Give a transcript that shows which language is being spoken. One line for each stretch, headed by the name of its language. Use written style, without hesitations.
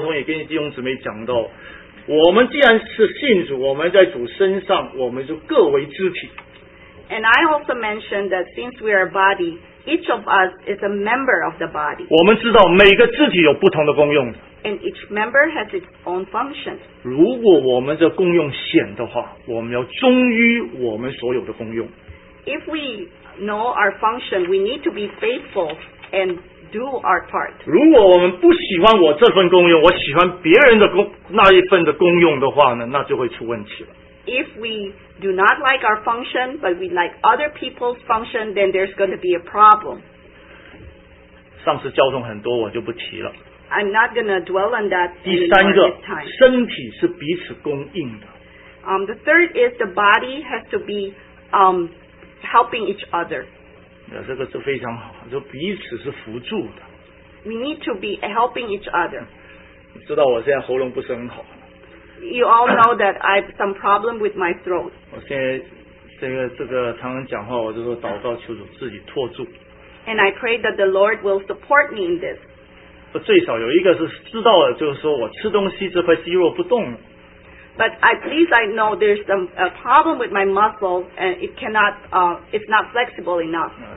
Chinese: 我上个礼拜也跟大家，上个是交通也跟弟兄姊妹讲到, 我们既然是信主, 我们在主身上, 我们就各为肢体。
English: And I also mentioned that since we are a body, each of us is a member of the body.
Chinese: 我们知道每个肢体有不同的功用。
English: And each member has its own function.
Chinese: 如果我们这功用显的话, 我们要忠于我们所有的功用。
English: If we know our function, we need to be faithful and do our part.
Chinese: 如果我们不喜欢我这份功用, 我喜欢别人的那一份的功用的话呢, 那就会出问题了。
English: If we do not like our function, but we like other people's function, then there's going to be a problem.
Chinese: 上次交通很多, 我就不提了。
English: I'm not going to dwell on that.
Chinese: 第三个,
English: this time.
Chinese: 身体是彼此供应的。
English: The third is the body has to be helping each other.
Chinese: 这个是非常好, 就彼此是辅助的。
English: We need to be helping each other.
Chinese: 知道我现在喉咙不是很好。
English: You all know that I have some problem with my throat.
Chinese: 我现在这个常常讲话, 我就说祷告求主自己托住。
English: And I pray that the Lord will support me in this.
Chinese: 最少有一个是知道的，就是说我吃东西这块肌肉不动了。But
English: at least I know there's some a problem with my muscle, and it cannot, it's not flexible enough.